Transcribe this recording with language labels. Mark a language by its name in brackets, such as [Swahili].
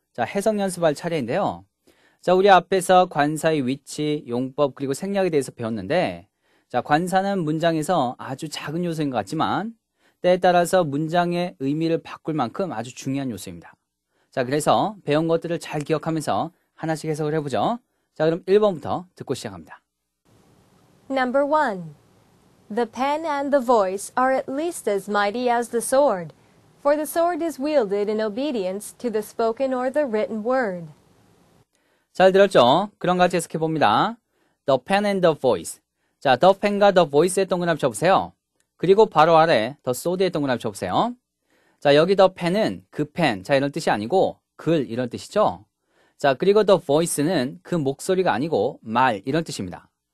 [Korean] 자, 해석 연습할 차례인데요. 자, 우리 앞에서 관사의 위치, 용법, 그리고 생략에 대해서 배웠는데, 자, 관사는 문장에서 아주 작은 요소인 것 같지만, 때에 따라서 문장의 의미를 바꿀 만큼 아주 중요한 요소입니다. 자, 그래서 배운 것들을 잘 기억하면서 하나씩 해석을 해보죠. 자, 그럼 1번부터 듣고 시작합니다. [English] Number 1. The pen and the voice are at least as mighty as the sword, for the sword is wielded in obedience to the spoken or the written word. [Korean] 잘 들었죠? 그럼 같이 해석해 봅니다. [English] The pen and the voice. [Korean] 자, the pen과 the voice의 동그라미 쳐보세요. 그리고 바로 아래 the sword의 동그라미 쳐보세요. 자, 여기 the pen은 그 펜, 자, 이런 뜻이 아니고 글, 이런 뜻이죠? 자, 그리고 the voice는 그 목소리가 아니고 말, 이런 뜻입니다.